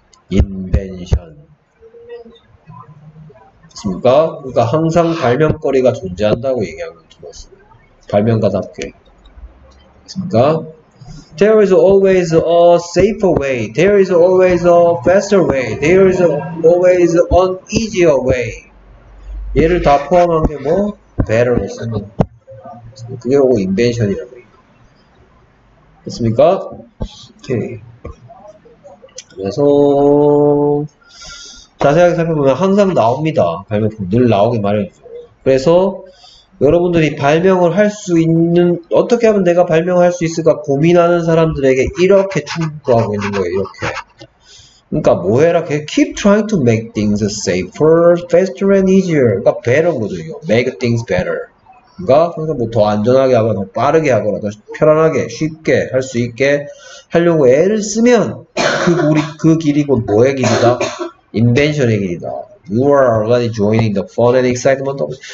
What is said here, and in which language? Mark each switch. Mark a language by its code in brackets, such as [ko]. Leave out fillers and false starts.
[ko] 인벤션. 맞습니까? 그러니까 항상 발명거리가 존재한다고 얘기하는 것 같습니다. 발명가답게. 그러니까 [en] there is always a safer way, there is always a faster way, there is always an easier way. [ko] 얘를 다 포함한 게뭐 better로 쓰는 그게 뭐 invention이라고 했습니까? 오케이. 그래서 자세하게 살펴보면 항상 나옵니다. 발명품 늘 나오기 마련이죠. 그래서 여러분들이 발명을 할수 있는, 어떻게 하면 내가 발명할 수 있을까 고민하는 사람들에게 이렇게 충고하고 있는 거예요, 이렇게. 그러니까 뭐 해라, [en] keep trying to make things safer, faster and easier. [ko] 그러니까 better 거죠, 이거. [en] make things better. [ko] 그러니까 뭐더 안전하게 하거나 더 빠르게 하거나 더 편안하게 쉽게 할수 있게 하려고 애를 쓰면 그 길이 곧 뭐의 길이다? invention의 길이다. [en] You are already joining the fun and excitement of.